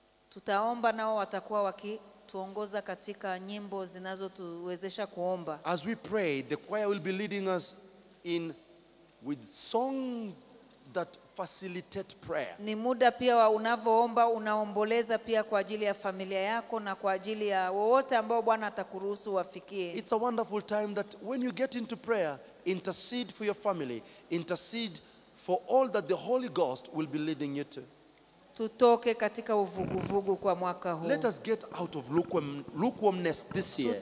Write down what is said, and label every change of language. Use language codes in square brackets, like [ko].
[sw] Tutaomba nao watakuwa wakituongoza katika nyimbo zinazotuwezesha kuomba. [en] As we pray, the choir will be leading us in with songs that facilitate prayer. [sw] Ni muda pia wa unavoomba unaomboleza pia kwa ajili ya familia yako na kwa ajili ya wote ambao Bwana atakuruhusu wafikie. [en] It's a wonderful time that when you get into prayer, intercede for your family, intercede for all that the Holy Ghost will be leading you to. [sw] Tutoke katika uvuguvugu kwa mwaka huu. [en] Let us get out of lukewarmness this year.